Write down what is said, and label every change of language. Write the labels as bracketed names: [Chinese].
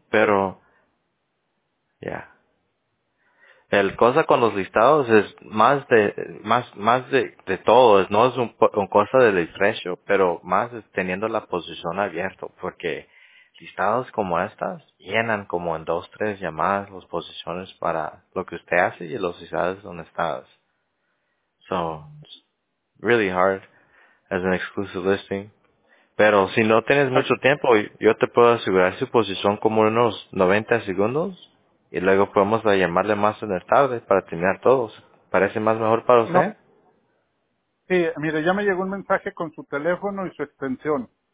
[Spanish] Pero, el cosa con los listados es más de todo. No es un cosa del precio, pero más es teniendo la posición abierta porque listados como estas llenan como en 2-3 llamadas las posiciones para lo que usted hace y los listados donde estás. [English] So, it's really hard as an exclusive listing. [Spanish] Pero si no tienes mucho tiempo, yo te puedo asegurar su posición como unos 90 segundos y luego podemos llamarle más en el tarde para terminar todos. ¿Parece más mejor para usted? Sí, mire, ya me llegó un mensaje con su teléfono y su extensión.